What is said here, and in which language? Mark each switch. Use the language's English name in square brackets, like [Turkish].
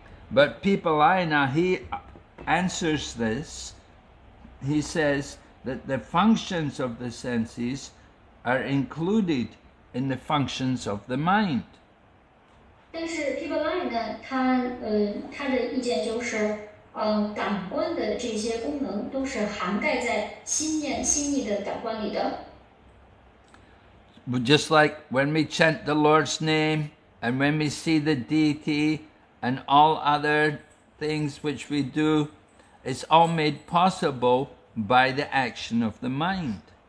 [English] But people I know, he answers this. He says that the functions of the senses are included in the functions of the mind. [Chinese] 但是皮巴拉尼的他的意见就是感官的这些功能都是涵盖在心念心意的感官里的。 [English] Just like when we chant the Lord's name and when we see the deity and all other things which we do, it's all made possible by the action of the mind.